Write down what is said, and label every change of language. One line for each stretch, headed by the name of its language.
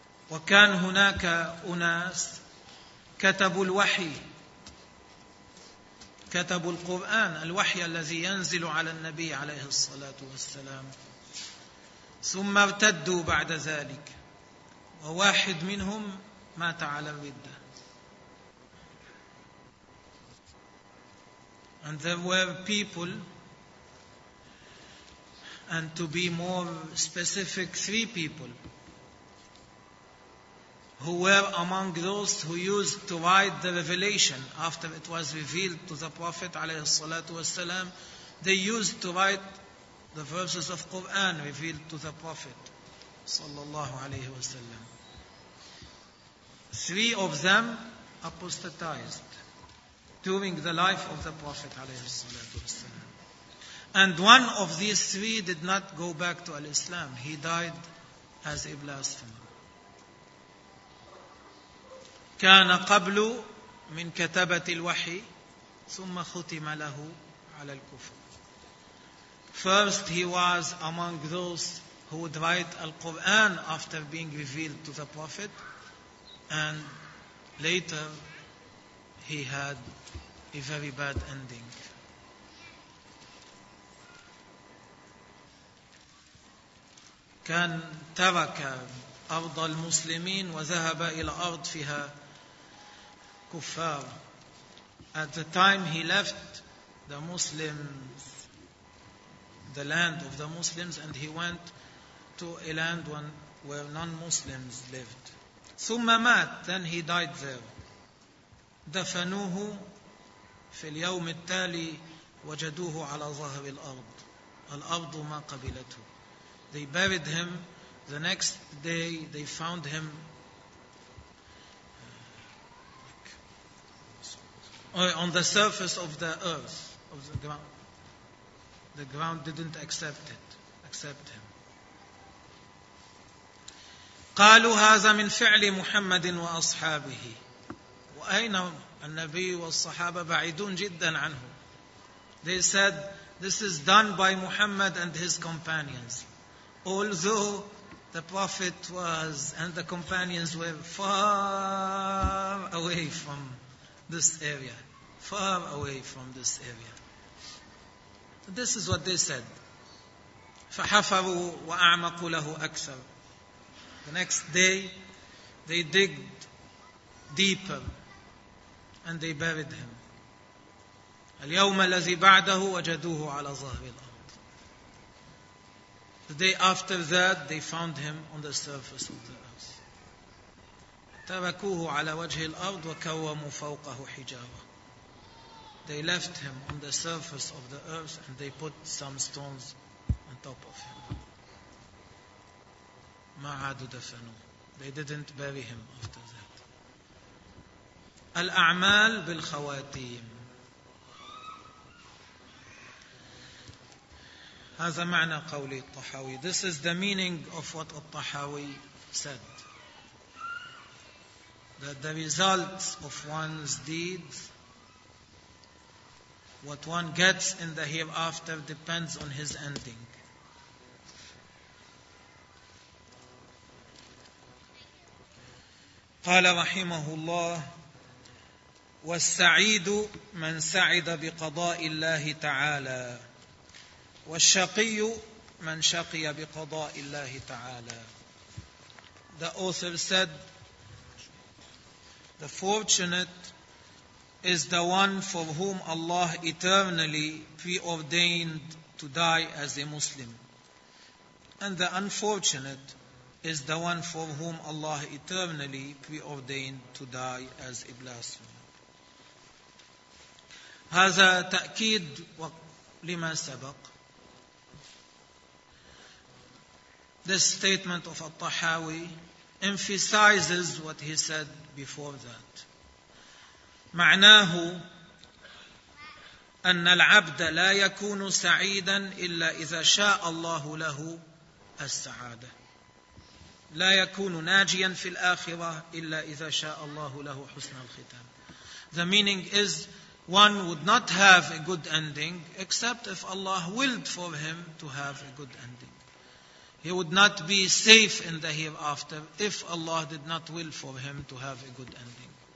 Arabic: وكان هناك أناس كتبوا الوحي كتبوا القرآن الوحي الذي ينزل على النبي عليه الصلاة والسلام ثم ارتدوا بعد ذلك وواحد منهم مات على الردة.
English: And there were people, and to be more specific, three people who were among those who used to write the revelation after it was revealed to the Prophet alayhi salatu wasalam. They used to write the verses of Quran revealed to the Prophet sallallahu alayhi wasalam. Three of them apostatized during the life of the Prophet alayhi salatu wasalam. And one of these three did not go back to al-Islam. He died as a blasphemer.
Arabic: كان قبل من كتابة الوحي ثم ختم له على الكفر.
English: First he was among those who would write Al-Quran after being revealed to the Prophet, and later he had a very bad ending.
Arabic: كان ترك أرض المسلمين وذهب إلى أرض فيها كفار.
English: At the time he left the Muslims, the land of the Muslims, and he went to a land where non-Muslims lived.
Arabic: ثم مات,
English: then he died there.
Arabic: دفنوه في اليوم التالي وجدوه على ظهر الأرض. الأرض ما قبلته.
English: They buried him. The next day they found him on the surface of the earth, of the ground. The ground didn't accept him.
Arabic: قالوا هذا من فعل محمد وأصحابه. وأين النبي والصحابة بعيدون جدا عنه.
English: They said, this is done by Muhammad and his companions. Although the Prophet was and the companions were far away from this area. Far away from this area. This is what they said.
Arabic: فحفروا وأعمقوا له أكثر.
English: The next day, they digged deeper and they buried him.
Arabic: اليوم الذي بعده وجدوه على ظهر الأرض.
English: The day after that, they found him on the surface of the earth.
Arabic: تركوه على وجه الأرض وكوموا فوقه حجارة.
English: They left him on the surface of the earth and they put some stones on top of him.
Arabic: ما عادوا دفنوا.
English: They didn't bury him after that.
Arabic: الأعمال بالخواتيم. هذا معنى قول الطحاوي.
English: This is the meaning of what الطحاوي said. That the results of one's deeds, what one gets in the hereafter, depends on his ending.
Arabic: قال رحمه الله والسعيد من سعد بقضاء الله تعالى والشقي من شقي بقضاء الله تعالى.
English: The author said, the fortunate is the one for whom Allah eternally preordained to die as a Muslim. And the unfortunate is the one for whom Allah eternally preordained to die as a blasphemer.
Arabic: هذا تأكيد لما سبق.
English: This statement of al-Tahawi emphasizes what he said before that.
Arabic: معناه أن العبد لا يكون سعيدا إلا إذا شاء الله له السعادة. لا يكون ناجيا في الآخرة إلا إذا شاء الله له حسن الختام.
English: The meaning is, one would not have a good ending except if Allah willed for him to have a good ending. He would not be safe in the hereafter if Allah did not will for him to have a good ending.